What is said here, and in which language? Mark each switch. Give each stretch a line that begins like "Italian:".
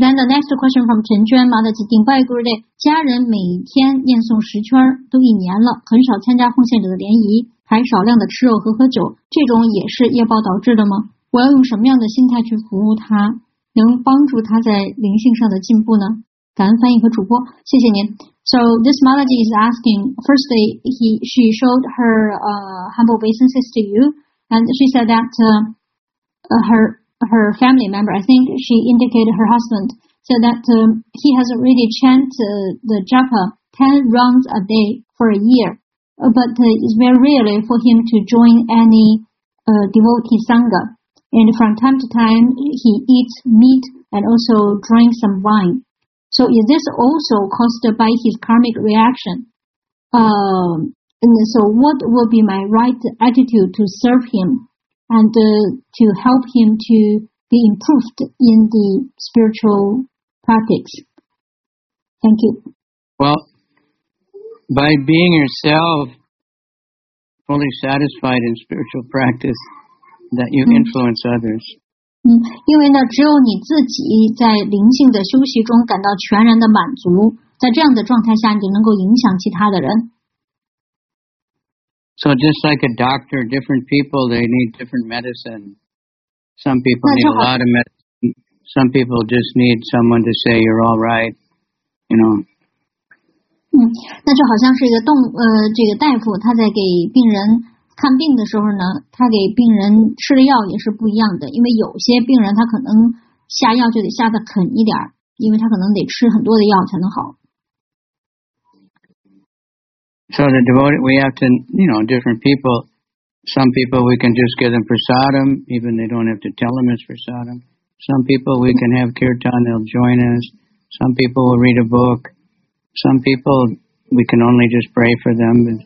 English: Then the next question from Chen Juan, Mother Ji Ding Bai Guru Day.
Chinese: 家人每天念诵十圈都一年了，很少参加奉献者的联谊，还少量的吃肉和喝酒，这种也是业报导致的吗？我要用什么样的心态去服务他，能帮助他在灵性上的进步呢？感恩翻译和主播，谢谢您。
English: So this Mother Ji is asking. Firstly, she showed her humble obeisances to you. And she said that her family member, I think she indicated her husband, said that he has already chanted the japa 10 rounds a day for a year. But it's very rarely for him to join any devotee sangha. And from time to time, he eats meat and also drinks some wine. So is this also caused by his karmic reaction? And so what would be my right attitude to serve him and to help him to be improved in the spiritual practice? Thank you. Well, by being yourself fully satisfied in spiritual practice, that you influence others.
Chinese: 因为呢，只有你自己在灵性的休息中感到全然的满足，在这样的状态下，你就能够影响其他的人。
English: So just like a doctor, different people, they need different medicine. Some people need a lot of medicine. Some people just need someone to say, you're all right, you know.
Chinese: 那就好像是一个这个大夫他在给病人看病的时候呢，他给病人吃的药也是不一样的，因为有些病人他可能下药就得下得狠一点，因为他可能得吃很多的药才能好。
English: So the devotee, we have to, you know, different people. Some people we can just give them prasadam, even they don't have to tell them it's prasadam. Some people we can have kirtan, they'll join us. Some people will read a book. Some people we can only just pray for them.